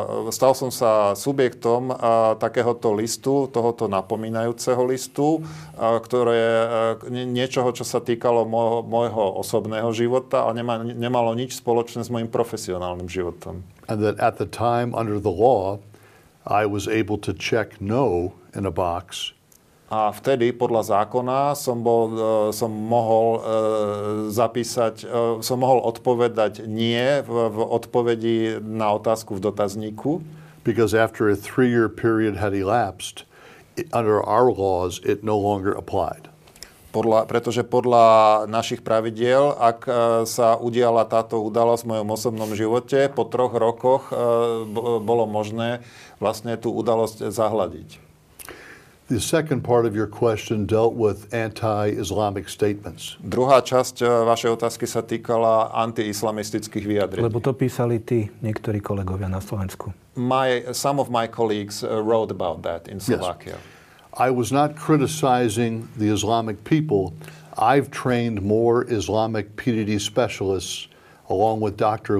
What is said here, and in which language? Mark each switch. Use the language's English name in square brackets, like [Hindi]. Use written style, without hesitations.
[Slovak] Stal som sa subjektom takéhoto listu, tohoto napomínajúceho listu, ktoré niečoho, čo sa týkalo môjho osobného života, ale nemalo nič spoločné s môjim profesionálnym životom. [English] And that at the time under the law I was able to check no in a box. [Slovak] A vtedy podľa zákona som mohol odpovedať nie v odpovedi na otázku v dotazníku. [English] Because after a 3-year period had elapsed, under our laws it no longer applied. [Slovak] Pretože podľa našich pravidiel, ak sa udiala táto udalosť v mojom osobnom živote, po 3 rokoch bolo možné vlastne tú udalosť zahladiť. [English] The second part of your question dealt with anti-Islamic statements. [Slovak] Druhá časť vašej otázky sa týkala anti-islamistických vyjadrení. Lebo to písali tí niektorí kolegovia na Slovensku. [English] Some of my colleagues wrote about that in Slovakia. Yes. I was not criticizing the Islamic people. I've trained more Islamic PDD specialists along with Dr.